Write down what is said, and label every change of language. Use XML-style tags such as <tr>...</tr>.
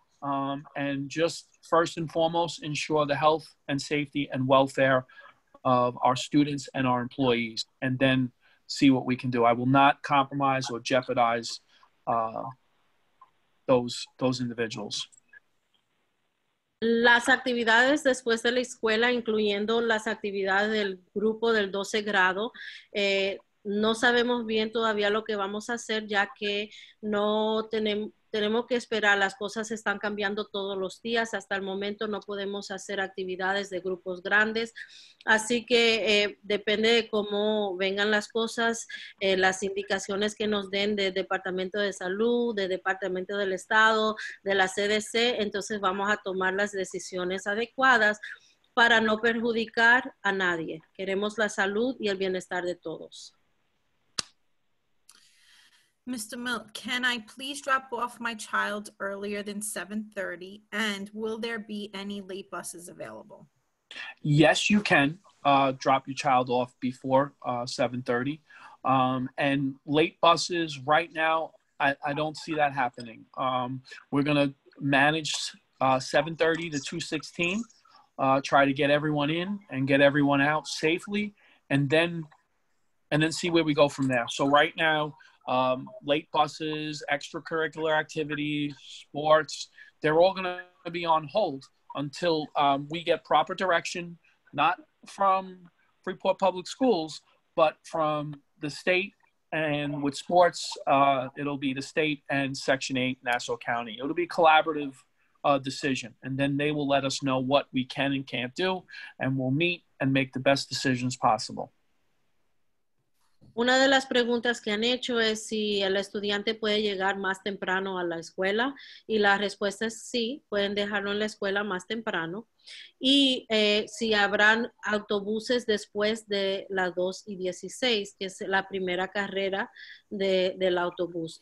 <en>And just first and foremost, ensure the health and safety and welfare of our students and our employees, and then see what we can do. I will not compromise or jeopardize those individuals.</en> <es>Las actividades después de la escuela, incluyendo las actividades del grupo del 12 grado, no sabemos bien todavía lo que vamos a hacer, ya que no tenemos que esperar. Las cosas están cambiando todos los días. Hasta el momento no podemos hacer actividades de grupos grandes. Así que depende de cómo vengan las cosas, las indicaciones que nos den del Departamento de Salud, del Departamento del Estado, de la CDC. Entonces vamos a tomar las decisiones adecuadas para no perjudicar a nadie. Queremos la salud y el bienestar de todos.</es> <en>Mr. Mill, can I please drop off my child earlier than 7:30, and will there be any late buses available? Yes, you can drop your child off before 7:30. And late buses right now, I don't see that happening. We're gonna manage 7:30 to 2:16, try to get everyone in and get everyone out safely, and then see where we go from there. So right now, late buses, extracurricular activities, sports, they're all going to be on hold until we get proper direction, not from Freeport Public Schools, but from the state. And with sports, it'll be the state and Section 8 Nassau County. It'll be a collaborative decision. And then they will let us know what we can and can't do, and we'll meet and make the best decisions possible.</en> <es>Una de las preguntas que han hecho es si el estudiante puede llegar más temprano a la escuela, y la respuesta es sí, pueden dejarlo en la escuela más temprano, y si habrán autobuses después de las 2:16, que es la primera carrera del autobús.</es>